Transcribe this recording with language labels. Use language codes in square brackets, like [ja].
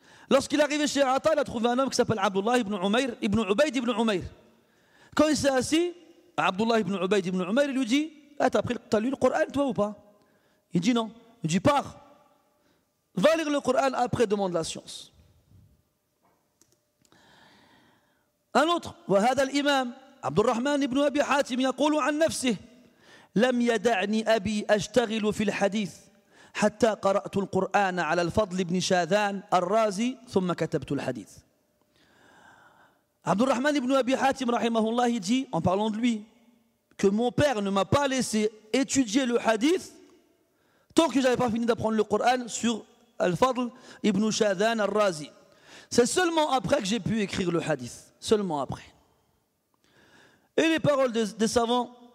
[fr] Lorsqu'il est arrivé chez Ata, il a trouvé un homme qui s'appelle Abdullah ibn Umayr ibn Ubayd ibn Umayr. Quand il s'est assis, Abdullah ibn Ubayd ibn Umayr lui dit t'as lu le Coran toi ou pas? Il dit non. Il dit pars, va lire le Coran, après demande la science. [ar] Un autre, وهذا الإمام عبد الرحمن بن أبي حاتم يقول عن نفسه لم يدعني أبي أشتغل في الحديث حتى قرأت القرآن على الفضل بن شاذان الرازي ثم كتبت الحديث. [fr] عبد الرحمن بن أبي حاتم رحمه الله dit en parlant de lui que mon père ne m'a pas laissé étudier le hadith tant que j'avais pas fini d'apprendre le Coran sur الفضل ابن شاذان الرازي. C'est seulement après que j'ai pu écrire le hadith. Seulement après. Et les paroles des savants.